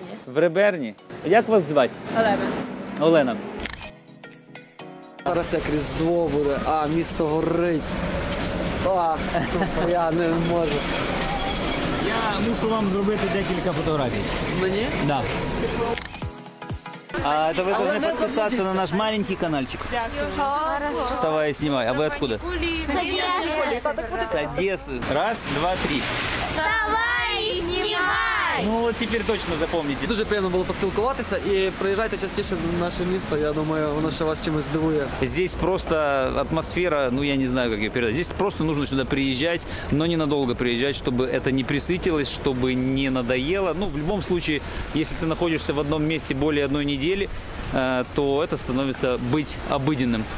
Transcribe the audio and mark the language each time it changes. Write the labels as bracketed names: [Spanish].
[Ukrainian] В Реберні. Як вас звати? Олена. Зараз як Різдво буде, а місто горить. Ах, я не можу. Я мушу вам зробити декілька фотографій. Мені? Так. [Russian] А это вы должны подписаться на наш маленький каналчик. Вставай и снимай. А вы откуда? С Одессы. С Одессы. Раз, два, три. Вставай и снимай! Ну вот теперь точно запомните. [Ukrainian] Дуже приятно было поспілкуватися. И приезжайте частіше в наше місто. Я думаю, воно ще вас чимось здивує. [Russian] Здесь просто атмосфера, ну я не знаю, как ее передать. Здесь просто нужно сюда приезжать, но ненадолго приезжать, чтобы это не присытилось, чтобы не надоело. Ну, в любом случае, если ты находишься в одном месте более одной недели, то это становится быть обыденным.